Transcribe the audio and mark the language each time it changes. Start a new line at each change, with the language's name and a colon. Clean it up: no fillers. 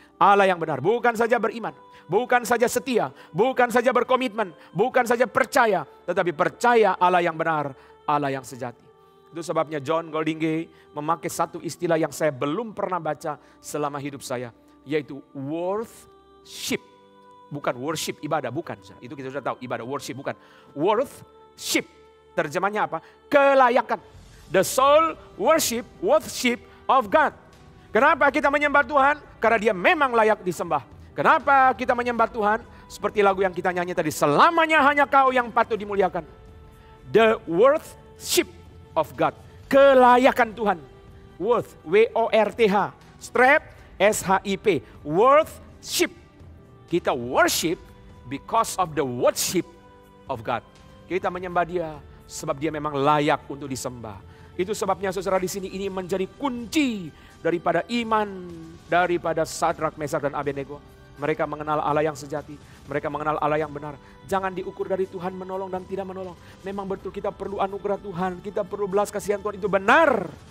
Indonesian: Allah yang benar. Bukan saja beriman, bukan saja setia, bukan saja berkomitmen, bukan saja percaya, tetapi percaya Allah yang benar, Allah yang sejati. Itu sebabnya John Golding Gay memakai satu istilah yang saya belum pernah baca selama hidup saya, yaitu worthship. Bukan worship, ibadah, bukan. Itu kita sudah tahu, ibadah, worship, bukan. Worthship, terjemahnya apa? Kelayakan.
English: The sole worship, worthship of God.
Indonesian: Kenapa kita menyembah Tuhan? Karena dia memang layak disembah. Kenapa kita menyembah Tuhan? Seperti lagu yang kita nyanyi tadi, selamanya hanya kau yang patut dimuliakan.
English: The worthship of God.
Indonesian: Kelayakan Tuhan.
English: Worth, W-O-R-T-H. Strep, S-H-I-P. Worthship.
Indonesian: Kita
English: worship because of the worship of God.
Indonesian: Kita menyembah dia sebab dia memang layak untuk disembah. Itu sebabnya saudara di sini, ini menjadi kunci daripada iman daripada Sadrak, Mesak, dan Abednego. Mereka mengenal Allah yang sejati. Mereka mengenal Allah yang benar. Jangan diukur dari Tuhan menolong dan tidak menolong. Memang betul kita perlu anugerah Tuhan. Kita perlu belas kasihan Tuhan, itu benar.